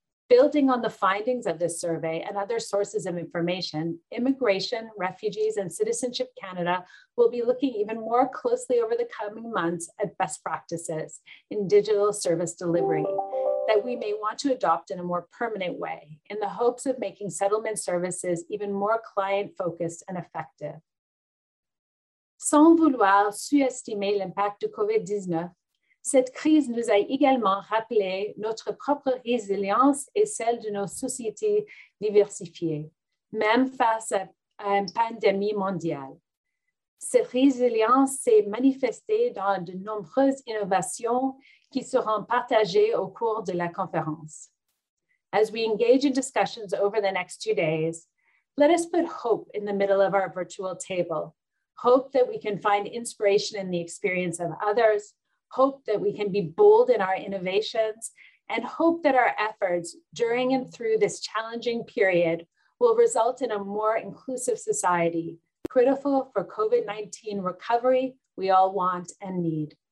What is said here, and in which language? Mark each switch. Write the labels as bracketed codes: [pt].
[en] Building on the findings of this survey and other sources of information, Immigration, Refugees, and Citizenship Canada will be looking even more closely over the coming months at best practices in digital service delivery that we may want to adopt in a more permanent way in the hopes of making settlement services even more client-focused and effective. [fr] Sans vouloir sous-estimer l'impact de COVID-19, cette crise nous a également rappelé notre propre résilience et celle de nos sociétés diversifiées, même face à une pandémie mondiale. Cette résilience s'est manifestée dans de nombreuses innovations qui seront partagées au cours de la conférence. [en] As we engage in discussions over the next 2 days, let us put hope in the middle of our virtual table. Hope that we can find inspiration in the experience of others, hope that we can be bold in our innovations, and hope that our efforts during and through this challenging period will result in a more inclusive society, critical for COVID-19 recovery we all want and need.